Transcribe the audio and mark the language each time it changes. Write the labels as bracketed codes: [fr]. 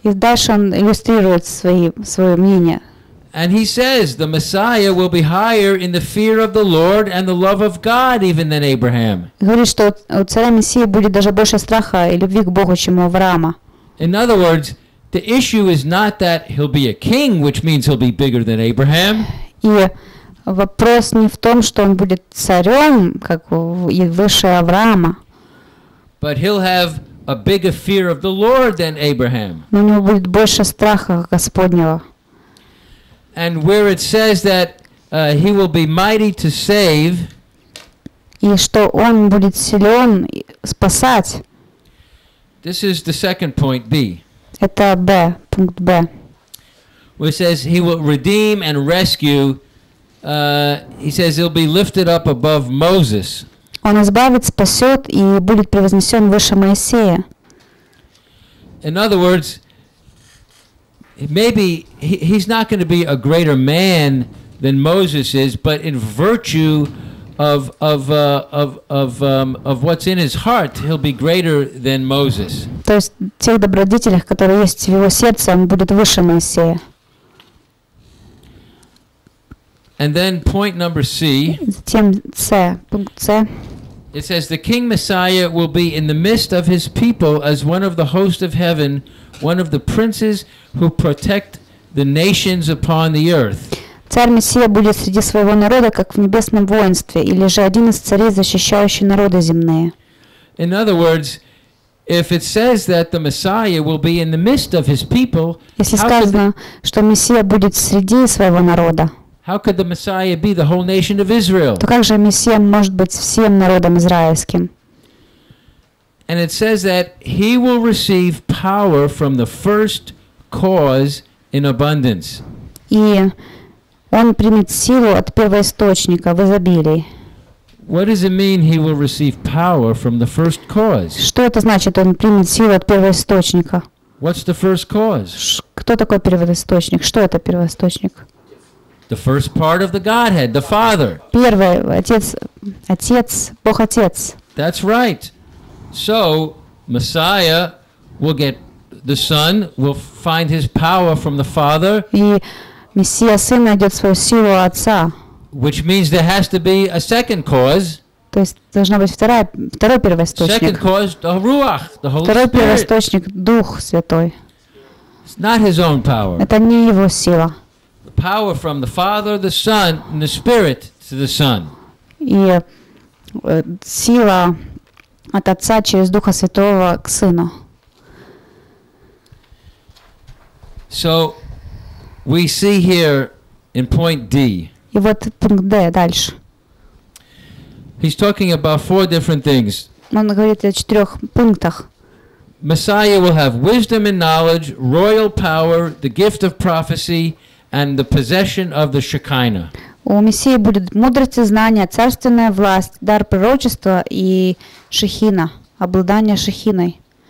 [ru] И дальше он иллюстрирует свое мнение. [en] And he says the Messiah will be higher in the fear of the Lord and the love of God even than Abraham. [ru] Говорит, что у царя Мессии будет даже больше страха и любви к Богу, чем у Авраама. [en] In other words, the issue is not that he'll be a king, which means he'll be bigger than Abraham. [ru] И вопрос не в том, что он будет царем, как и выше Авраама. [en] But he'll have a bigger fear of the Lord than Abraham. [ru] Но у него будет больше страха Господнего. [en] And where it says that he will be mighty to save. [ru] И что он будет силен спасать. [en] This is the second point, B. [ru] Это Б, пункт Б. [en] Where it says he will redeem and rescue. He says he'll be lifted up above Moses. [ru] Он избавит, спасет и будет превознесен выше Моисея. [en] In other words, maybe he's not going to be a greater man than Moses is, but in virtue of what's in his heart, he'll be greater than Moses. [ru] То есть тех добродетелях, которые есть в его сердце, он будет выше Моисея. [en] And then point number C. [ru] Затем C, пункт C. [en] It says the King Messiah will be in the midst of his people as one of the host of heaven, one of the princes who protect the nations upon the earth. [ru] Царь Мессия будет среди своего народа, как в небесном воинстве, или же один из царей, защищающий народы земные. [en] In other words, if it says that the Messiah will be in the midst of his people, [ru] если сказано, что Мессия будет среди своего народа. [en] How could the Messiah be the whole nation of Israel? [ru] То как же Мессия может быть всем народом израильским? [en] And it says that he will receive power from the first cause in abundance. [ru] И он примет силу от первоисточника в изобилии. [en] What does it mean he will receive power from the first cause? [ru] Что это значит, он примет силу от первоисточника? [en] What's the first cause? [ru] Кто такой первоисточник? Что это первоисточник? [en] The first part of the Godhead, the Father. [ru] Первый отец, Бог отец. [en] That's right. So Messiah will get the Son will find his power from the Father. [ru] И Мессия сын найдет свою силу от отца. [en] Which means there has to be a second cause. [ru] То есть должна быть второй первоисточник. [en] Second cause, the Ruach, the Holy Spirit. [ru] Второй первоисточник, Дух Святой. [en] It's not his own power. [ru] Это не его сила. [en] Power from the Father, the Son, and the Spirit to the Son. [ru] И сила от Отца через Духа Святого к Сыну. [en] So we see here in point D. [ru] И вот пункт Д дальше. [en] He's talking about four different things. [ru] Он говорит о четырех пунктах. [en] Messiah will have wisdom and knowledge, royal power, the gift of prophecy. And the possession of the Shekinah. [ru] У Мессии будет мудрость и знание, царственная власть, дар пророчества и Шехина, обладание Шехиной.